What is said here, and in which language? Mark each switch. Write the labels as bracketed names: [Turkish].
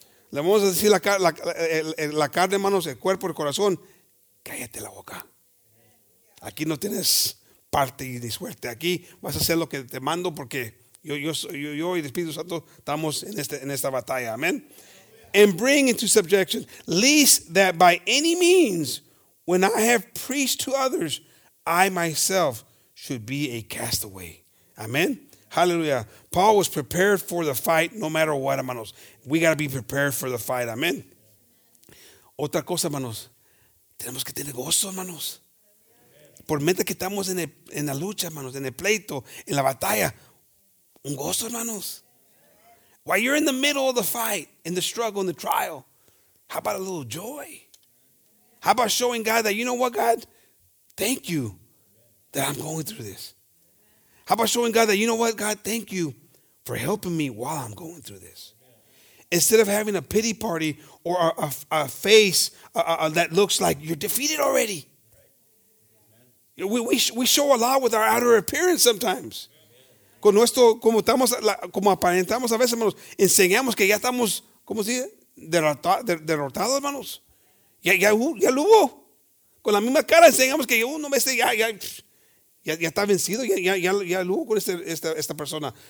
[Spanish] Le vamos a decir la carne, hermanos, el cuerpo, el corazón, cállate la boca. Aquí no tienes parte y ni suerte. Aquí vas a hacer lo que te mando porque yo y el Espíritu Santo estamos en esta batalla, amen. [English] And bring into subjection, lest that by any means, when I have preached to others, I myself should be a castaway. Amen. Hallelujah. Paul was prepared for the fight no matter what, hermanos. We got to be prepared for the fight. [Spanish] Amen. Otra cosa, hermanos. Tenemos que tener gozo, hermanos. Por mientras que estamos en la lucha, hermanos, en el pleito, en la batalla, un gozo, hermanos. [English] While you're in the middle of the fight, in the struggle, in the trial, how about a little joy? How about showing God that, you know what, God? Thank you that I'm going through this. How about showing God that, you know what, God, thank you for helping me while I'm going through this. Instead of having a pity party or a face that looks like you're defeated already. We show a lot with our outer appearance sometimes. [Spanish] Con nuestro, como estamos, como aparentamos a veces, hermanos, enseñamos que ya estamos, ¿cómo se dice? Derrotados, hermanos. Ya lo hubo. Con la misma cara enseñamos que uno me dice, ya está vencido, ya luego con esta persona.